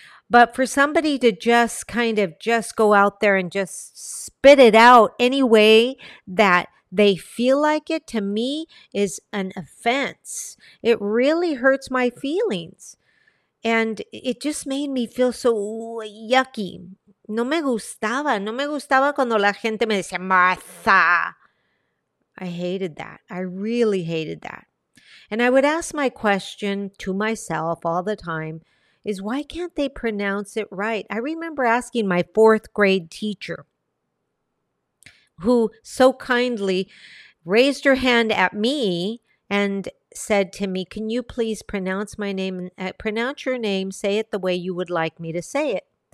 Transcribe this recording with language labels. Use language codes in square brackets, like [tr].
[en] But for somebody to just kind of just go out there and just spit it out any way that they feel like it, to me, is an offense. It really hurts my feelings. And it just made me feel so yucky. [es] No me gustaba. No me gustaba cuando la gente me decía, Martha. [en] I hated that. I really hated that. And I would ask my question to myself all the time. Is why can't they pronounce it right? I remember asking my fourth grade teacher, who so kindly raised her hand at me and said to me, can you please pronounce my name, pronounce your name, say it the way you would like me to say it?